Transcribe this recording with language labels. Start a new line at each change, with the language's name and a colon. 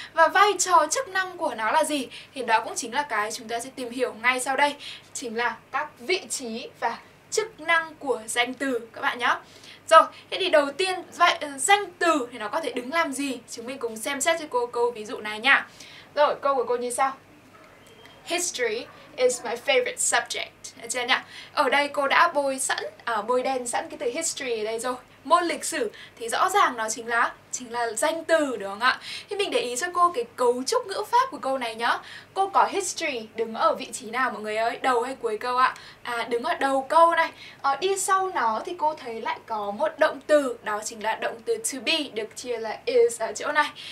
Vietnamese: Và vai trò chức năng của nó là gì? Thì đó cũng chính là cái chúng ta sẽ tìm hiểu ngay sau đây. Chính là các vị trí và chức năng của danh từ các bạn nhé. Rồi, thế thì đầu tiên vậy danh từ thì nó có thể đứng làm gì? Chúng mình cùng xem xét cho cô câu ví dụ này nha. Rồi, câu của cô như sau.
English: History is my favorite subject.
Vietnamese: Được chưa nhỉ? Ở đây cô đã bôi sẵn bôi đen sẵn cái từ history ở đây rồi. Môn lịch sử thì rõ ràng nó chính là danh từ đúng không ạ? Thì mình để ý cho cô cái cấu trúc ngữ pháp của câu này nhá. Cô có history đứng ở vị trí nào mọi người ơi? Đầu hay cuối câu ạ? Đứng ở đầu câu này. Đi sau nó thì cô thấy lại có một động từ, đó chính là động từ to be được chia là is ở chỗ này.